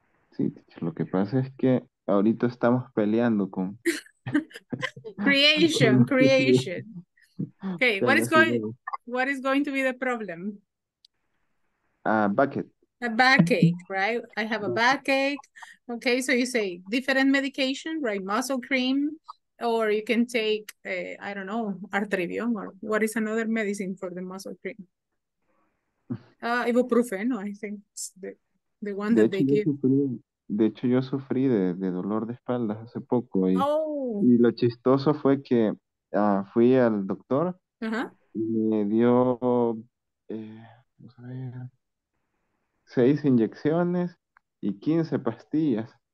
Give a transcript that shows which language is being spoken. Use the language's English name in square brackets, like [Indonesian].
[Spanish] Sí, lo que pasa es que ahorita estamos peleando con... [English] creation. Okay, what is going to be the problem? A backache, right? I have a backache. Okay, so you say different medication, right? Muscle cream, or you can take, I don't know, artrivium, or what is another medicine for the muscle cream? Ibuprofen, I think it's the one that they give. [Spanish] De hecho, yo sufrí de dolor de espalda hace poco. Y, oh. Y lo chistoso fue que fui al doctor. Uh-huh. Y me dio, vamos a ver, 6 inyecciones y 15 pastillas.